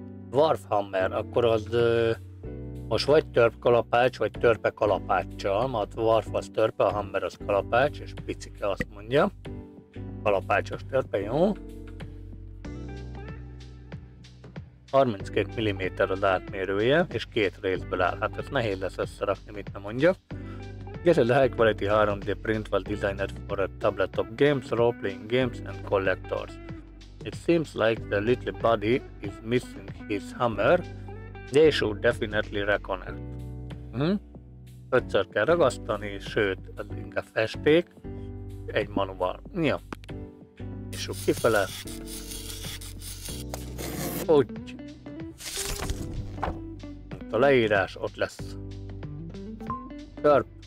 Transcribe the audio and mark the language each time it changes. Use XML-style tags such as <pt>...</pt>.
<hu>Dwarfhammer, akkor az most vagy törp kalapács, vagy törpe kalapáccsal, mert a dwarf az törpe, a hammer az kalapács, és picike azt mondja. Kalapácsos törpe, jó. 32 mm az átmérője, és két részből áll. Hát ez nehéz lesz összerakni, mit nem mondja.</hu> <en>Get a high quality 3D print was designed for a tabletop games, role-playing games and collectors. It seems like the little buddy is missing his hammer. They should definitely reconnect.</en> <hu>Ötször kell ragasztani, sőt, az inkább festék. Egy manuval. Ja. Nyissuk kifele. Úgy. Itt a leírás, ott lesz. Törp.</hu>